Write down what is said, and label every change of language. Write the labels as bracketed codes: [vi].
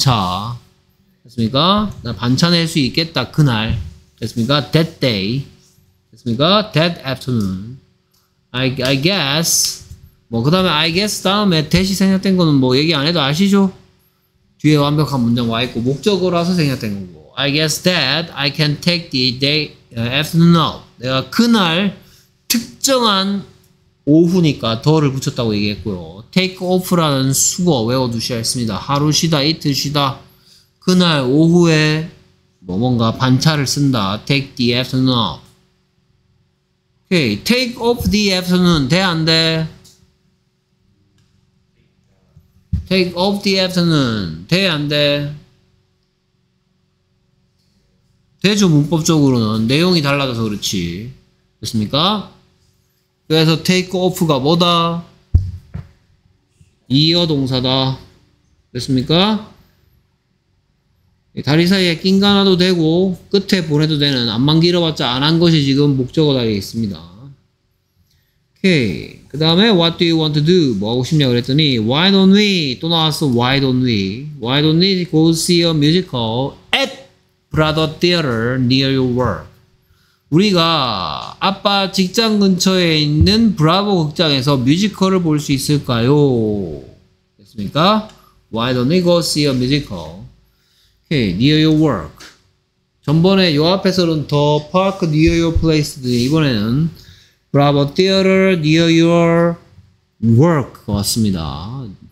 [ko] 반차. 됐습니까? 나 반차 낼 수 있겠다. 그날. 됐습니까? [en] That day. [ko] 됐습니까? [en] That afternoon. I guess. [ko] 뭐 그 다음에 [en] I guess [ko] 다음에 that이 생략된 거는 뭐 얘기 안 해도 아시죠? 뒤에 완벽한 문장 와 있고 목적어라서 생략된 거고. [en] I guess that I can take the day afternoon off. [ko] 내가 그날 특정한 오후니까 더를 붙였다고 얘기했고요. take off라는 수거 외워두셔야 했습니다. 하루 쉬다, 이틀 쉬다. 그날 오후에 뭐 뭔가 반차를 쓴다. [en] take the afternoon off. Okay. take off the afternoon. [ko] 돼, 안 돼? [en] take off the afternoon. [ko] 돼, 안 돼? 대조 문법적으로는 내용이 달라져서 그렇지. 됐습니까? 그래서 take off가 뭐다? 이어 동사다. 됐습니까? 다리 사이에 낑가놔도 되고 끝에 보내도 되는 안만 길어봤자 안 한 것이 지금 목적어 다리에 있습니다. 오케이. 그 다음에 [en] what do you want to do? [ko] 뭐 하고 싶냐 그랬더니 [en] why don't we? [ko] 또 나왔어. why don't we? [en] why don't we go see a musical at Brother Theater near your work. [ko] 우리가 아빠 직장 근처에 있는 브라보 극장에서 뮤지컬을 볼 수 있을까요? 됐습니까? [en] Why don't we go see a musical? Okay, near your work. [ko] 전번에 요 앞에서는 [en] The Park near your place. [ko] 이번에는 [en] Brother Theater near your work. [ko] 왔습니다.